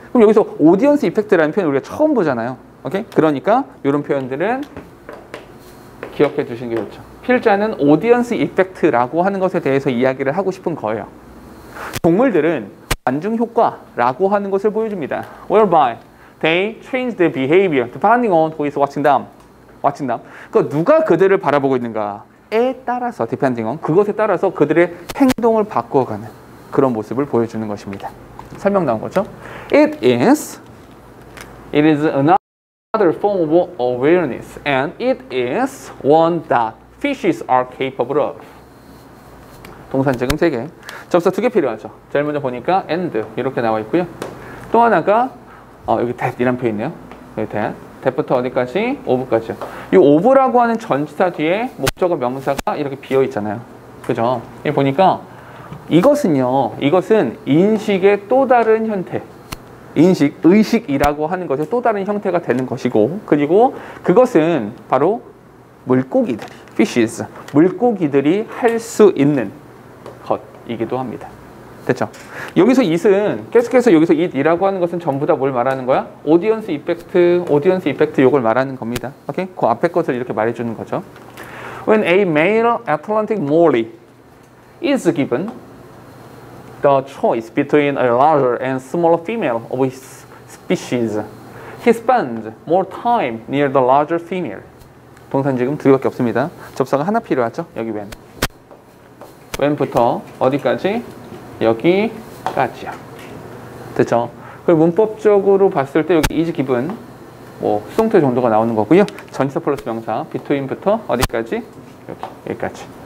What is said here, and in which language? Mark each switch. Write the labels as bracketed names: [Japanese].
[Korean] 그럼 여기서 audience effect라는 표현 우리가 처음 보잖아요. 오케이? 그러니까 이런 표현들은 기억해 두시는 게 좋죠. 필자는 audience effect라고 하는 것에 대해서 이야기를 하고 싶은 거예요. 동물들은 관중 효과라고 하는 것을 보여줍니다. [English] Whereby they change their behavior depending on who is watching them. Watching them. [Korean] 그러니까 누가 그들을 바라보고 있는가에 따라서 [English] depending on [Korean] 그것에 따라서 그들의 행동을 바꾸어가는 그런 모습을 보여주는 것입니다. 설명 나온 거죠? [English] It is another form of awareness, and it is one that fishes are capable of. [Korean] 동사 지금 세 개. 접사 두 개 필요하죠. 제일 먼저 보니까 and 이렇게 나와 있고요. 또 하나가 여기 that 이란 표 있네요. 여기 that. that부터 어디까지? of까지요. 이 of라고 하는 전치사 뒤에 목적어 명사가 이렇게 비어 있잖아요. 그죠? 여기 보니까 이것은 인식의 또 다른 형태. 인식, 의식이라고 하는 것의 또 다른 형태가 되는 것이고 그리고 그것은 바로 물고기들이, fishes, 물고기들이 할 수 있는 이기도 합니다. 됐죠? 여기서 it은 계속해서 여기서 it이라고 하는 것은 전부 다 뭘 말하는 거야? audience effect 이걸 말하는 겁니다. 오케이? 그 앞에 것을 이렇게 말해주는 거죠. [English] When a male Atlantic molly is given the choice between a larger and smaller female of his species, he spends more time near the larger female. [Korean] 동사 지금 두 개밖에 없습니다. 접사가 하나 필요하죠? 여기 when. 왼부터 어디까지? 여기까지요. 됐죠? 그리고 문법적으로 봤을 때 여기 is given 뭐 수동태 정도가 나오는 거고요. 전치사 플러스 명사 between부터 어디까지? 여기, 여기까지.